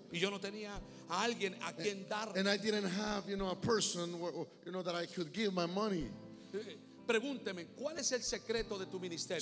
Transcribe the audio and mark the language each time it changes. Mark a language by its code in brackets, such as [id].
[es] Y yo no tenía a alguien a quien dar. [en] And I didn't have, you know, a person where, you know, that I could give my money. [es] Pregúnteme, ¿cuál es el secreto de tu ministerio?